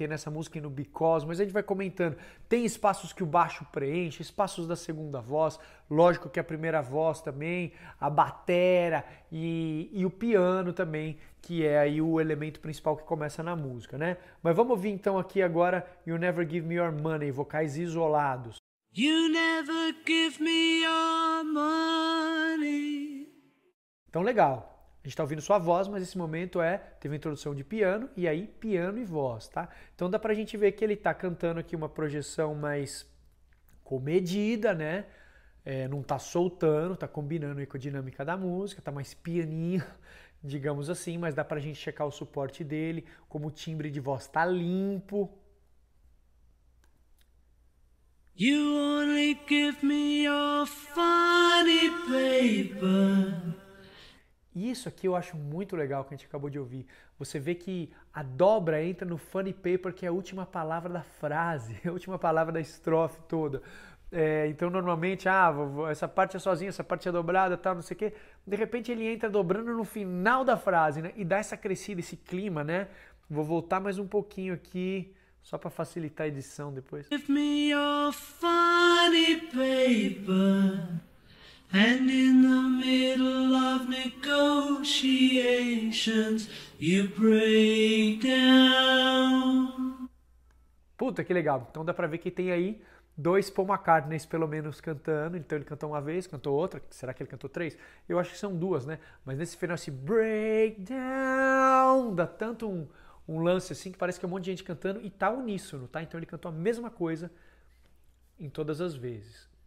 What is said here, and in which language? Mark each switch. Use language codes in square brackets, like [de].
[pt] Tem nessa música e no Because, mas a gente vai comentando. Tem espaços que o baixo preenche, espaços da segunda voz, lógico que a primeira voz também, a batera e o piano também, que é aí o elemento principal que começa na música, né? Mas vamos ouvir então aqui agora You Never Give Me Your Money, vocais isolados. [en] You never give me your money. [pt] Então, legal. A gente tá ouvindo sua voz, mas esse momento teve uma introdução de piano, e aí piano e voz, tá? Então dá pra gente ver que ele tá cantando aqui uma projeção mais comedida, né? Não tá soltando, tá combinando aí com a dinâmica da música, tá mais pianinho, digamos assim, mas dá pra gente checar o suporte dele, como o timbre de voz tá limpo. [en] You only give me your funny paper. [pt] Isso aqui eu acho muito legal que a gente acabou de ouvir. Você vê que a dobra entra no funny paper, que é a última palavra da frase, a última palavra da estrofe toda. Então, normalmente, essa parte é sozinha, essa parte é dobrada, tal, não sei o quê. De repente, ele entra dobrando no final da frase, né? E dá essa crescida, esse clima, né? Vou voltar mais um pouquinho aqui, Só para facilitar a edição depois. [en] Give me your funny paper. And in the middle of negotiations, you break down. [pt] Puta, que legal. Então dá pra ver que tem aí dois Paul McCartneys, pelo menos, cantando. Então ele cantou uma vez, cantou outra. Será que ele cantou três? Eu acho que são duas, né? Mas nesse final, esse breakdown, dá tanto um lance assim, que parece que é um monte de gente cantando e tá uníssono, tá? Então ele cantou a mesma coisa em todas as vezes.